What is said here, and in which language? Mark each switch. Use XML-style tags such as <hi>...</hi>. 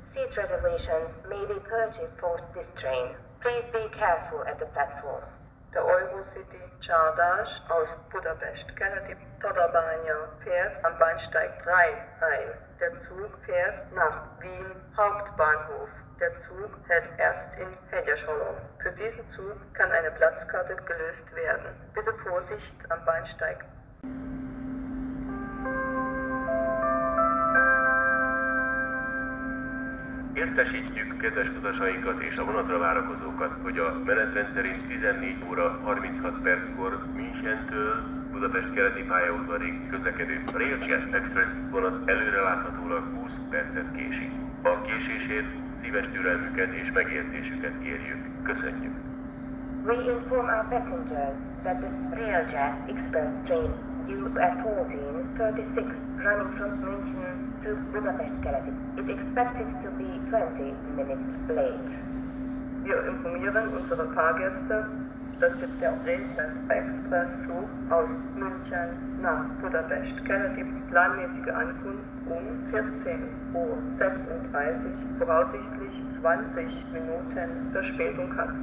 <en>Seat reservations may be purchased for this train. Please be careful at the platform.</en> <de>Der Eurocity Csárdás aus Budapest keleti Tatabánya fährt am Bahnsteig 3 ein. Der Zug fährt nach Wien Hauptbahnhof. Der Zug hält erst in Hegyeshalom. Für diesen Zug kann eine Platzkarte gelöst werden. Bitte Vorsicht am Bahnsteig.</de> <hu>Értesítjük kedves utasainkat és a vonatra várakozókat, hogy a menetrend szerint 14 óra 36 perckor Münchentől Budapest keleti pályaudvarig közlekedő Railjet Express vonat előreláthatólag 20 percet késik. A késésért szíves türelmüket és megértésüket kérjük. Köszönjük!</hu> <en>We inform our passengers that the Railjet Express train UF1436 running from München to Budapest Keleti is expected to be 20 minutes late.</en> <de>Wir informieren unsere Fahrgäste, dass der Railjet Express Zug aus München nach Budapest Keleti planmäßige Ankunft um 14.36 Uhr voraussichtlich 20 Minuten Verspätung hat.</de>